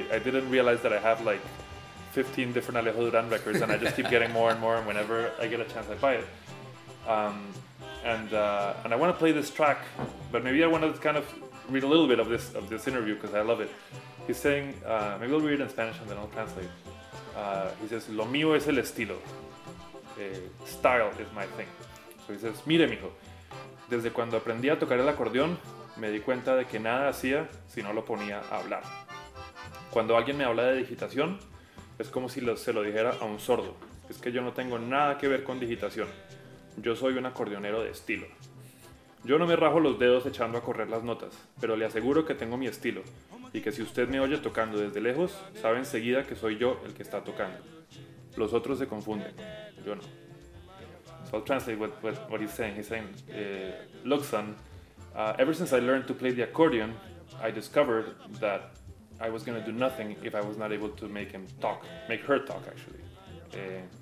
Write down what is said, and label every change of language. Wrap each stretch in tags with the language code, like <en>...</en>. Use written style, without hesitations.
<en>I didn't realize that I have like 15 different Alejo Durán records, and I just keep getting more and more, and whenever I get a chance I buy it. And I want to play this track, but maybe I want to kind of read a little bit of this interview, because I love it. He's saying, maybe I'll read it in Spanish and then I'll translate. He says,</en> <es>lo mío es el estilo.</es> <en>Style is my thing. So he says,</en> <es>mire, mijo, desde cuando aprendí a tocar el acordeón, me di cuenta de que nada hacía si no lo ponía a hablar. Cuando alguien me habla de digitación, es como si se lo dijera a un sordo. Es que yo no tengo nada que ver con digitación. Yo soy un acordeonero de estilo. Yo no me rajo los dedos echando a correr las notas, pero le aseguro que tengo mi estilo y que si usted me oye tocando desde lejos, sabe enseguida que soy yo el que está tocando. Los otros se confunden, yo no.</es> <en>So I'll translate what he's saying. He's saying, look, son, ever since I learned to play the accordion, I discovered that I was going to do nothing if I was not able to make her talk, actually.</en>